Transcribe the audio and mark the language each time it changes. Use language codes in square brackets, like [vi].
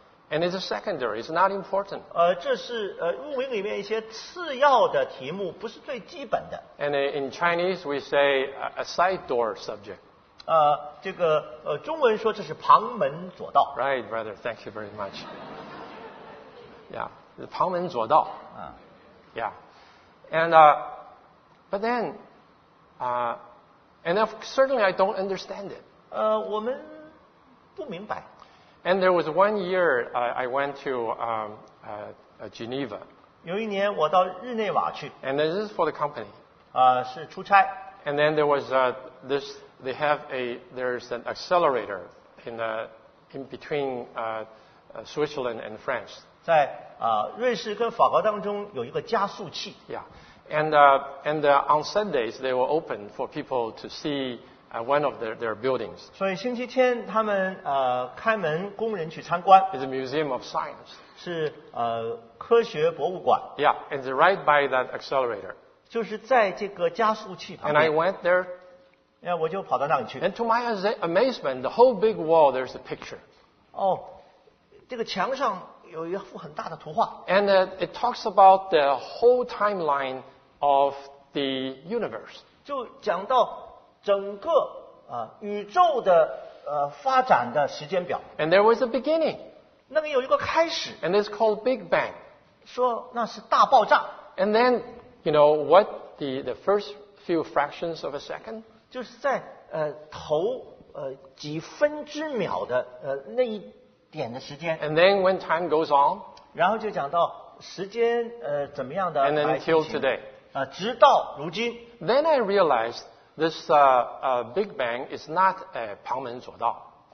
[en] And it's a secondary, it's not important. [zh] 这是物理里面一些次要的题目，不是最基本的。 [en] And in Chinese, we say a side door subject. [zh] 这个中文说这是旁门左道。 [en] Right, brother, thank you very much. Yeah. [zh] 旁门左道, [en] yeah, and but then, and certainly I don't understand it. [zh] 我们不明白. [en] And there was one year I went to Geneva. [zh] 有一年我到日内瓦去. [en] And this is for the company. [zh] 是出差. [en] And then there was this. They have a there's an accelerator in between Switzerland and France. [zh] 在 瑞士跟法国当中有一个加速器。 [en] Yeah, and on Sundays they were open for people to see one of their buildings. [zh] 所以星期天他们 开门供人去参观。 [en] It's a museum of science. [zh] 是 科学博物馆。 [en] Yeah, and it's right by that accelerator. [zh] 就是在这个加速器旁边。 [en] And I went there. [zh] Yeah, 我就跑到那里去。 [en] And to my amazement, the whole big wall there's a picture. [zh] 哦，这个墙上。有一幅很大的图画, [en] and it talks about the whole timeline of the universe. [zh] 就讲到整个, 宇宙的, 发展的时间表, [en] and there was a beginning. [zh] 那里有一个开始, [en] and it's called Big Bang. [zh] 说那是大爆炸, [en] and then, you know, what the first few fractions of a second? [zh] 就是在, 头, 几分之秒的, 那一, 点的时间, [en] and then when time goes on, [zh] 然后就讲到时间, 怎么样的, [en] and then until today, [zh] 直到如今, [en] then I realized this Big Bang is not a [zh] 旁门左道.